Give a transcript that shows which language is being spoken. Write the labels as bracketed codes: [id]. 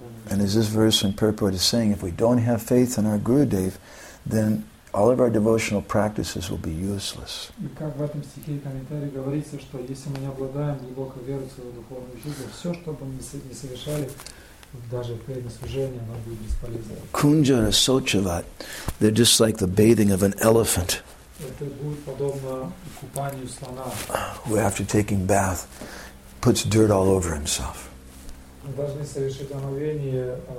[en] And as this verse in Purport is saying, if we don't have faith in our Gurudev, then all of our devotional practices will be useless. [ru] И как в этом стихе и комментарии говорится, что если мы не обладаем глубокой верой в своего духовного учителя, все, что бы мы не совершали, даже перед служением, оно будет бесполезно. [en] Kunja and Sochavat, they're just like the bathing of an elephant. [ru] Это будет подобно купанию слона. [en] Who, after taking bath, puts dirt all over himself. [ru] Мы должны совершить омовение,